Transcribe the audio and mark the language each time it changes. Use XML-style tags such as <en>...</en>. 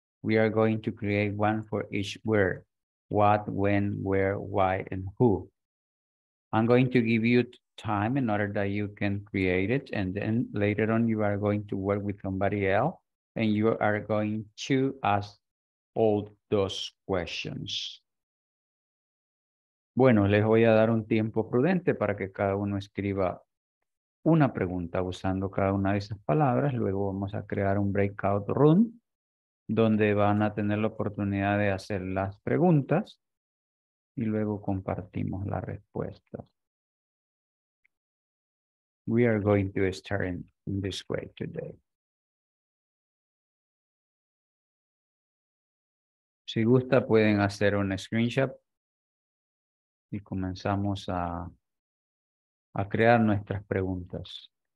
<en>We are going to create one for each word. What, when, where, why, and who. I'm going to give you time in order that you can create it. And then later on, you are going to work with somebody else. And you are going to ask all those questions.</en> <es>Bueno, les voy a dar un tiempo prudente para que cada uno escriba una pregunta usando cada una de esas palabras. Luego vamos a crear un breakout room donde van a tener la oportunidad de hacer las preguntas y luego compartimos las respuestas.</es> <en>We are going to start in this way today.</en> <es>Si gusta, pueden hacer un screenshot y comenzamos a crear nuestras preguntas.</es>